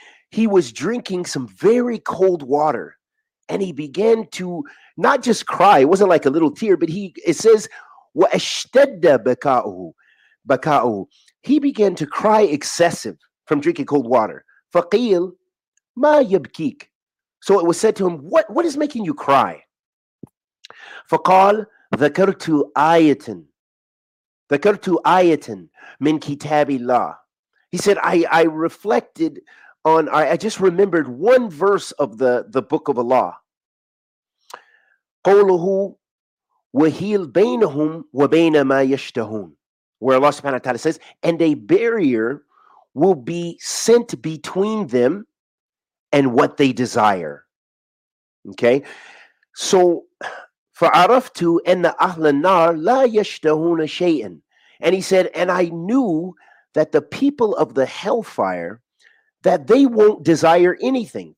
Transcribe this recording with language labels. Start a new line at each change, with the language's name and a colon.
English: He was drinking some very cold water, and he began to not just cry, it wasn't like a little tear, but it says
Arabic: واشتد بكاؤه.
English: He began to cry excessive from drinking cold water.
Arabic: فقيل ما يبكيك.
English: So it was said to him, what is making you cry?
Arabic: فقال ذكرت آيةً من كتاب الله.
English: He said, I reflected on, I just remembered one verse of the book of Allah.
Arabic: قوله وهيل بينهم وبين ما يشتهون.
English: Where Allah subhanahu wa ta'ala says, and a barrier will be sent between them and what they desire. Okay? So,
Arabic: فَعَرَفْتُ أَنَّ أَهْلَ النَّارِ لَا يَشْتَهُونَ شَيْئًا.
English: And he said, and I knew that the people of the hellfire, that they won't desire anything.